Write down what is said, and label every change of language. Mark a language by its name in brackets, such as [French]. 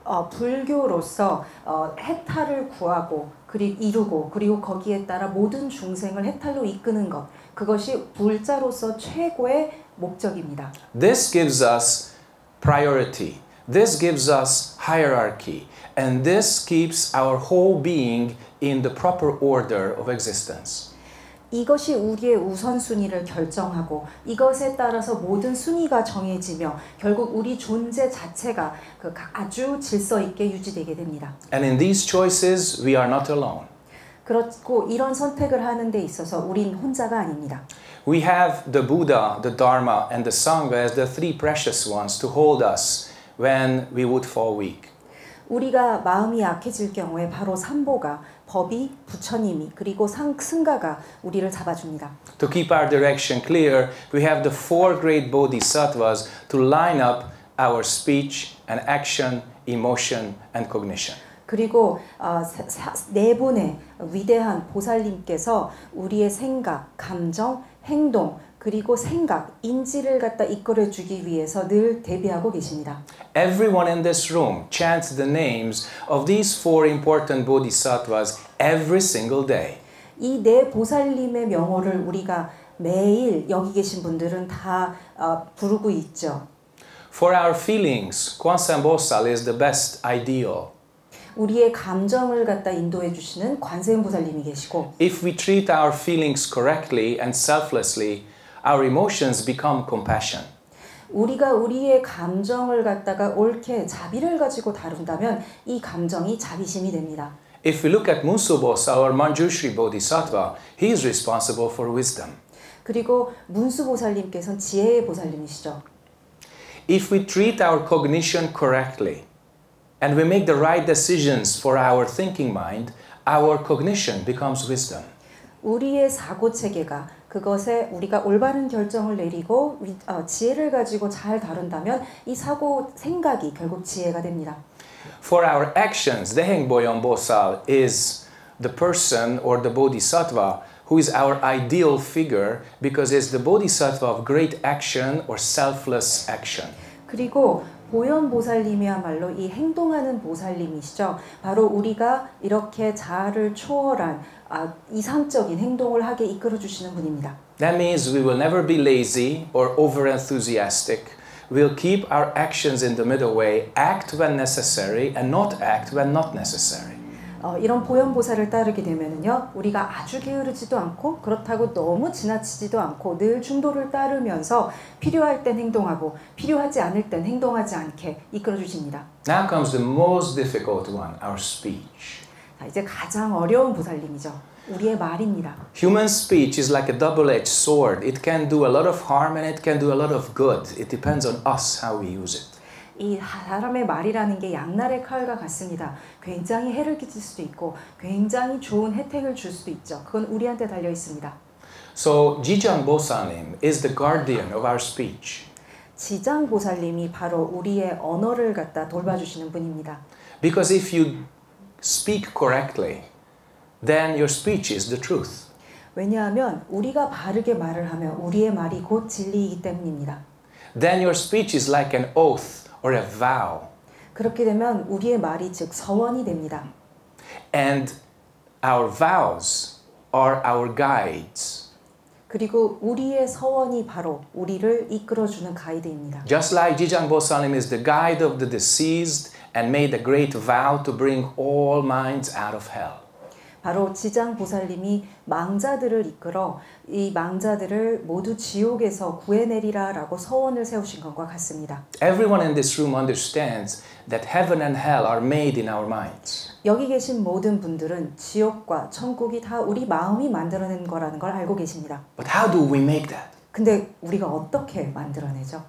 [Korean] 불교로서 해탈을 구하고 그리고 이루고 그리고 거기에 따라 모든 중생을 해탈로 이끄는 것. 그것이 불자로서 최고의 목적입니다. [English] This gives us priority. This gives us hierarchy. And this keeps our whole being in the proper order of existence. [Korean] 이것이 우리의 우선순위를 결정하고 이것에 따라서 모든 순위가 정해지며 결국 우리 존재 자체가 그 아주 질서 있게 유지되게 됩니다. [English] And in these choices, we are not alone. [Korean] 그렇고 이런 선택을 하는 데 있어서 우린 혼자가 아닙니다. [English] We have the Buddha, the Dharma, and the Sangha as the three precious ones to hold us when we would fall weak. [Korean] 우리가 마음이 약해질 경우에 바로 삼보가 법이 부처님이 그리고 승가가 우리를 잡아줍니다. [English] To keep our direction clear, we have the four great bodhisattvas to line up our speech and action, emotion and cognition. [Korean] 그리고 네 분의 위대한 보살님께서 우리의 생각, 감정, 행동, 그리고 생각, 인지를 갖다 이끌어 주기 위해서 늘 대비하고 계십니다. [English] Everyone in this room chants the names of these four important bodhisattvas every single day. [Korean] 이 네 보살님의 명호를 우리가 매일 여기 계신 분들은 다 부르고 있죠. [English] For our feelings, Kwansambosal is the best ideal. [Korean] 우리의 감정을 갖다 인도해 주시는 관세음보살님이 계시고 [English] If we treat our feelings correctly and selflessly, our emotions become compassion. [Korean] 우리가 우리의 감정을 갖다가 옳게 자비를 가지고 다룬다면 이 감정이 자비심이 됩니다. [English] If we look at Munsubosa or Manjushri Bodhisattva, he is responsible for wisdom. [Korean] 그리고 문수보살님께서는 지혜의 보살님이시죠. [English] If we treat our cognition correctly, and we make the right decisions for our thinking mind, our cognition becomes wisdom. [Korean] 우리의 사고체계가 그것에 우리가 올바른 결정을 내리고 지혜를 가지고 잘 다룬다면 이 사고 생각이 결국 지혜가 됩니다. [English] For our actions, the Haengboyeonbosal is the person or the bodhisattva who is our ideal figure because it's the bodhisattva of great action or selfless action. [Korean] 그리고 보현보살님이야말로 이 행동하는 보살님이시죠. 바로 우리가 이렇게 자아를 초월한 이상적인 행동을 하게 이끌어 주시는 분입니다. [English] That means we will never be lazy or over enthusiastic. We'll keep our actions in the middle way, act when necessary and not act when not necessary. [Korean] 이런 보현보살을 따르게 되면은요, 우리가 아주 게으르지도 않고 그렇다고 너무 지나치지도 않고 늘 중도를 따르면서 필요할 땐 행동하고 필요하지 않을 땐 행동하지 않게 이끌어 주십니다. [English] Now comes the most difficult one, our speech. [Korean] 자, 이제 가장 어려운 보살님이죠. 우리의 말입니다. [English] Human speech is like a double-edged sword. It can do a lot of harm and it can do a lot of good. It depends on us how we use it. [Korean] 이 사람의 말이라는 게 양날의 칼과 같습니다. 굉장히 해를 끼칠 수도 있고 굉장히 좋은 혜택을 줄 수도 있죠. 그건 우리한테 달려 있습니다. [English] So, Jijang Bosanim is the guardian of our speech. [Korean] 지장 보살님이 바로 우리의 언어를 갖다 돌봐주시는 분입니다. [English] Because if you speak correctly, then your speech is the truth. [Korean] 왜냐하면 우리가 바르게 말을 하면 우리의 말이 곧 진리이기 때문입니다. [English] Then your speech is like an oath. Or a vow. [Korean] 그렇게 되면 우리의 말이 즉 서원이 됩니다. [English] And our vows are our guides. [Korean] 그리고 우리의 서원이 바로 우리를 이끌어주는 가이드입니다. [English] Just like Jijang Bosanim is the guide of the deceased and made a great vow to bring all minds out of hell. [Korean] 바로 지장 보살님이 망자들을 이끌어 이 망자들을 모두 지옥에서 구해내리라라고 서원을 세우신 것과 같습니다. [English] Everyone in this room understands that heaven and hell are made in our minds. [Korean] 여기 계신 모든 분들은 지옥과 천국이 다 우리 마음이 만들어낸 거라는 걸 알고 계십니다. [English] But how do we make that? [Korean] 근데 우리가 어떻게 만들어내죠?